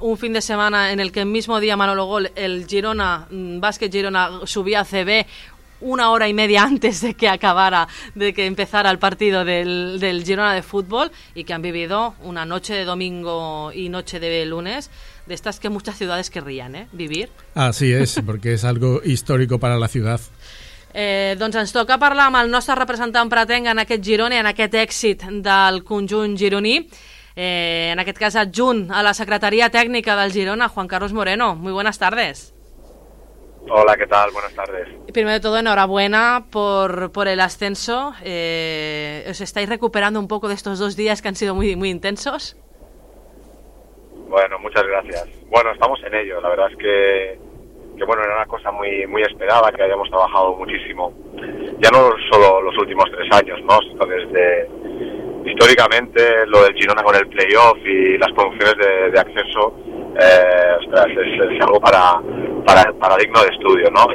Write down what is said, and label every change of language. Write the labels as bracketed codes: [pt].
[es] Un fin de semana en el que el mismo día, Manolo Gol, el Girona, Básquet Girona, subía a CB una hora y media antes de que acabara, de que empezara el partido del Girona de fútbol, y que han vivido una noche de domingo y noche de lunes de estas que muchas ciudades querrían vivir. Así es, porque es algo histórico para la ciudad. [ca] Doncs ens toca parlar amb el nostre representant pretenc en aquest Girona, en aquest èxit del conjunt gironí, en aquest cas adjunt a la Secretaria Tècnica del Girona, Juan Carlos Moreno. [es] Muy buenas tardes. Hola, ¿qué tal? Buenas tardes. Primero de todo, enhorabuena por el ascenso. ¿Os estáis recuperando un poco de estos dos días que han sido muy, muy intensos? Bueno, muchas gracias. Bueno, estamos en ello. La verdad es que bueno, era una cosa muy, muy esperada, que hayamos trabajado muchísimo, ya no solo los últimos tres años, ¿no?, sino desde históricamente lo del Girona con el playoff y las promociones de acceso, ostras, es algo para digno de estudio, ¿no?